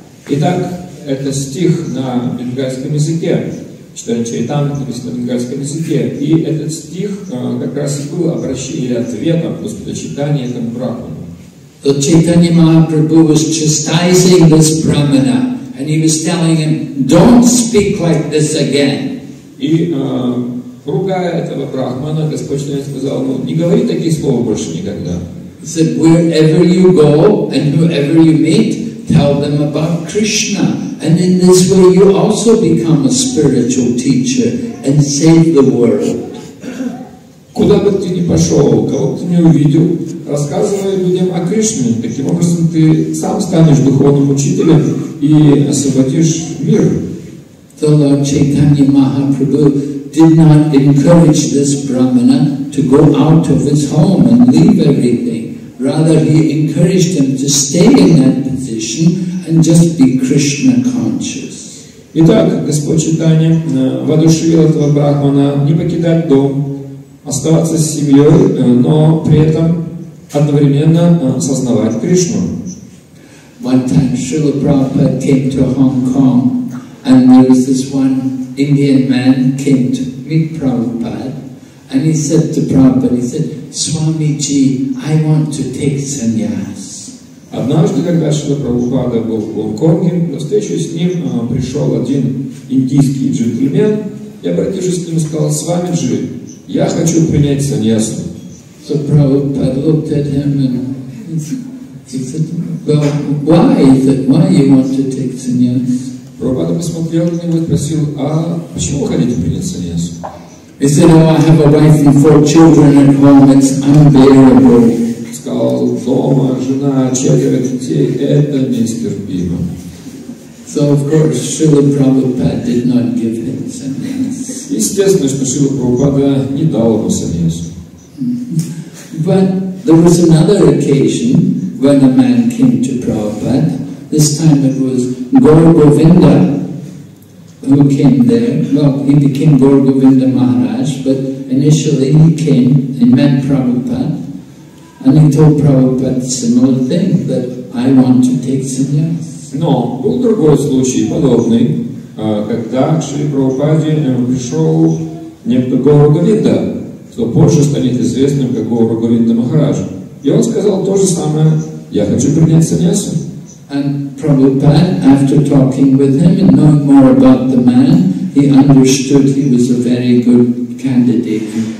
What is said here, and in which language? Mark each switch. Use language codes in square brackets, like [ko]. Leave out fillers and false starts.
[ru] Итак, это стих на бенгальском языке. Читаем Чайтанья на бенгальском языке. И этот стих как раз и был обращением или ответом после Чайтанья этому брахману. [en] Chaitanya Mahaprabhu was chastising this Brahmana, and he was telling him, "Don't speak like this again." [ru] И ругая этого брахмана, Господь Чайтанья сказал ему: "Не говори таких слов больше никогда." [en] He said, "Wherever you go and whoever you meet, tell them about Krishna, and in this way you also become a spiritual teacher and save the world." [ru] Куда бы ты ни пошел, кого бы ты ни увидел, рассказывай людям о Кришне. Таким образом, ты сам станешь духовным учителем и освободишь мир. [en] The Lord Chaitanya Mahaprabhu did not encourage this Brahmana to go out of his home and leave everything. Rather, he encouraged him to stay in that position and just be Krishna conscious. [ru] Итак, Господь Чайтанья воодушевил этого брахмана не покидать дом, оставаться с семьей, но при этом одновременно сознавать Кришну. [en] One time Srila Prabhupada came to Hong Kong, and there was this one Indian man came to meet Prabhupada, and he said to Prabhupada, he said, "Swamiji, I want to take sannyas." [ru] Однажды, когда Шрила Прабхупада был в Гонконге, на встречу с ним пришел один индийский джентльмен, и обратившись к нему, сказал: "Свамиджи, я хочу принять саньясу." [en] So Prabhupada looked at him and he said, "Well, why is it? Why you want to take sannyas?" [ru] Прабхупада посмотрел на него и спросил: "А почему вы хотите принять саньясу?" [en] He said, "Oh, I have a wife and four children at home. It's unbearable." [ru] Сказал: "Дома жена, четверо детей. Это нестерпимо." [en] So of course, Srila Prabhupada did not give him sannyas. [ru] Естественно, что Шрила Прабхупада не дал ему саньясу. [en] But there was another occasion when a man came to Prabhupada. This time it was Gaura Govinda who came there. Well, he became Gaura Govinda Maharaj, but initially he came and met Prabhupada, and he told Prabhupada a similar thing, that I want to take sannyas. [ru] Но был другой случай, подобный. Когда к Шри Прабхупаде пришел некто Гаура Говинда, кто позже станет известным как Гаура Говинда Махарадж. И он сказал то же самое: "Я хочу принять саньясу." [en] And Prabhupada, after talking with him and knowing more about the man, he understood he was a very good candidate.